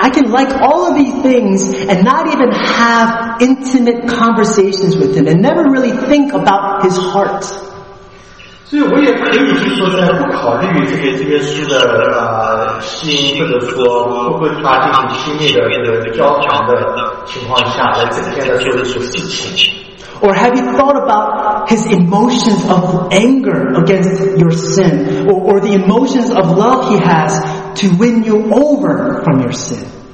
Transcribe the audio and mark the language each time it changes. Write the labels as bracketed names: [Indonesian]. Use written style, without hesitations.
[English] I can like all of these things and not even have intimate conversations with him and never really think about his heart. [Chinese] 所以我也可以去说在不考虑这些耶稣的心或者说不会发进行亲密的交谈的情况下来整天的做这些事情。 [English] Or have you thought about his emotions of anger against your sin or the emotions of love he has to win you over from your sin?